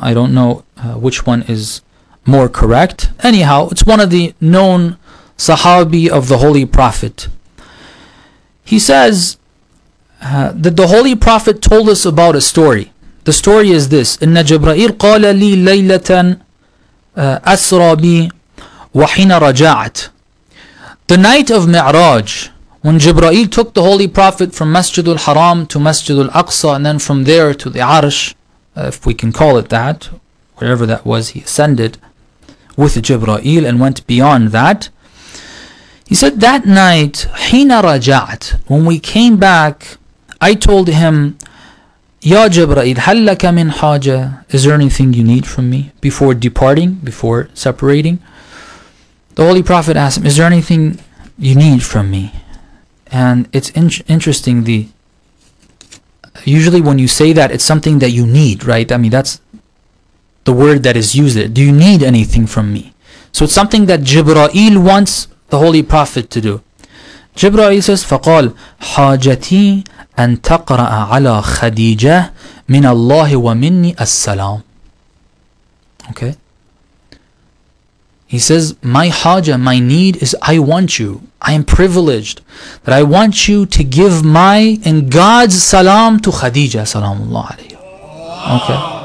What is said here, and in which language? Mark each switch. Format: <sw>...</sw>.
<en>I don't know which one is more correct. Anyhow, it's one of the known Sahabi of the Holy Prophet. He says that the Holy Prophet told us about a story. The story is this:</en> <ar>إِنَّ جَبْرَائِيلَ قَالَ لِي لَيْلَةً أَسْرَى بِي وَحِينَ رَجَعَتْ.</ar> <en>The night of Mi'raj, when Jibreel took the Holy Prophet from Masjid al-Haram to Masjid al-Aqsa, and then from there to the Arsh, if we can call it that, wherever that was, he ascended with Jibreel and went beyond that. He said, that night,</en> <ar>حِينَ رَجَعَتْ,</ar> <en>when we came back, I told him, Ya Jibreel,</en> <ar>هل لك من حاجة?</ar> <en>Is there anything you need from me before departing, before separating? The Holy Prophet asked him, is there anything you need from me? And it's interesting, usually when you say that, it's something that you need, right? I mean, that's the word that is used there. Do you need anything from me? So it's something that Jibreel wants the Holy Prophet to do. Jibreel says,</en> <ar>فقال حاجتي أن تقرأ على خديجة من الله ومني السلام.</ar> <en>Okay. He says, my haja, my need is I want you. I am privileged that I want you to give my and God's salam to Khadija</en> <ar>salamullah alayhi.</ar> <en>Okay.</en>